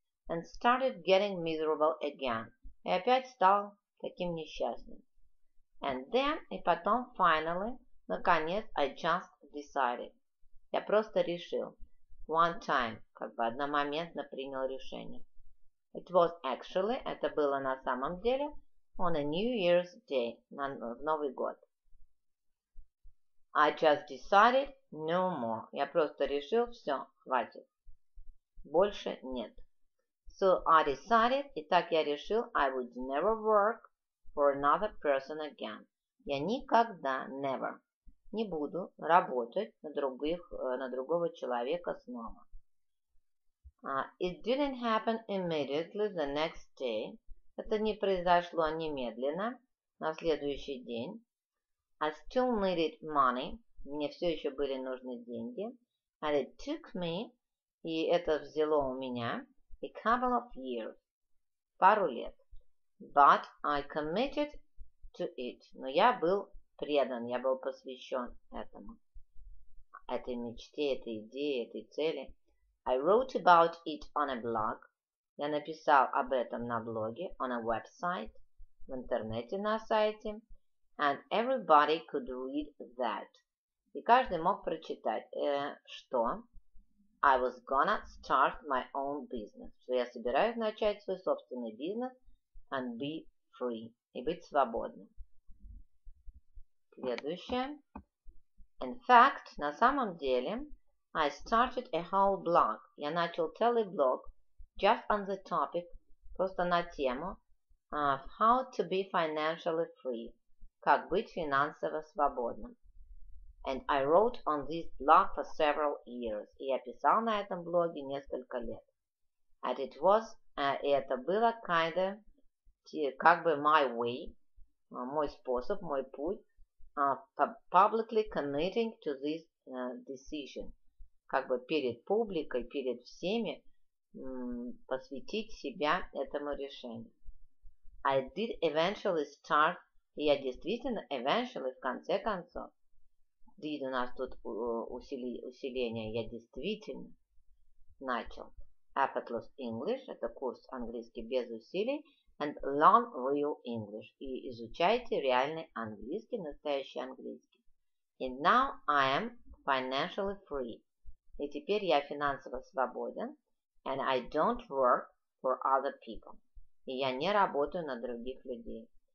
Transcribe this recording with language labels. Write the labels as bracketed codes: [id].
[en] And started getting miserable again. [ru] И опять стал таким несчастным. [en] And then, [ru] и потом, [en] finally, [ru] наконец, [en] I just decided. [ru] Я просто решил. [en] One time, [ru] как бы одномоментно принял решение. [en] It was actually, [ru] это было на самом деле, [en] on a New Year's Day, [ru] в Новый год. [en] I just decided no more. [ru] Я просто решил, все, хватит. Больше нет. [en] So I decided, [ru] и так я решил, [en] I would never work for another person again. [ru] Я никогда, never, не буду работать на другого человека снова. [en] It didn't happen immediately the next day. [ru] Это не произошло немедленно, на следующий день. [en] I still needed money. [ru] Мне все еще были нужны деньги. [en] And it took me, [ru] и это взяло у меня, [en] a couple of years, [ru] пару лет. [en] But I committed to it. [ru] Но я был предан, я был посвящен этому, этой мечте, этой идее, этой цели. [en] I wrote about it on a blog. [ru] Я написал об этом на блоге, [en] on a website, [ru] в интернете на сайте. [en] And everybody could read that. [ru] И каждый мог прочитать, что [en] I was gonna start my own business. [ru] Что я собираюсь начать свой собственный бизнес [en] and be free. [ru] И быть свободным. Следующее. [en] In fact, [ru] на самом деле, [en] I started a whole blog. [ru] Я начал целый блог [en] just on the topic, [ru] просто на тему [en] of how to be financially free. [ru] Как быть финансово свободным. [en] And I wrote on this blog for several years. [ru] И я писал на этом блоге несколько лет. [en] And it was, [ru] и это было [en] kind of, [ru] как бы [en] my way, [ru] мой способ, мой путь, [en] publicly committing to this decision. [ru] Как бы перед публикой, перед всеми посвятить себя этому решению. [en] I did eventually start, [ru] и я действительно eventually, в конце концов, did у нас тут усиление, я действительно начал effortless English, это курс английский без усилий, [en] and learn real English, [ru] и изучайте реальный английский, настоящий английский. [en] And now I am financially free, [ru] и теперь я финансово свободен, [en] and I don't work for other people, [ru] и я не работаю на других людей.